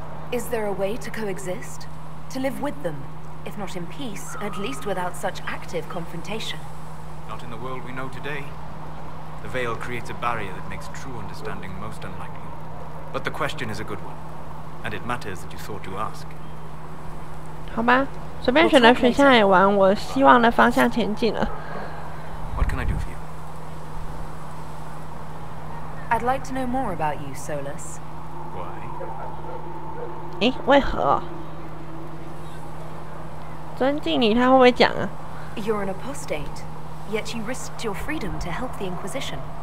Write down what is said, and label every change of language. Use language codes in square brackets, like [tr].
[en] Is there a way to coexist, to live with them, if not in peace, at least without such active confrontation? Not in the world we know today. The veil creates a barrier that makes true understanding most unlikely. But the question is a good one, and it matters that you thought to ask. [zh] 好吧。随便选的选项也往我希望的方向前进了。 [en] What can I do for you? I'd like to know more about you, Solas. Why? [zh] 诶，为何？尊敬你，他会不会讲啊 [en] ？You're an apostate, yet you risked your freedom to help the Inquisition.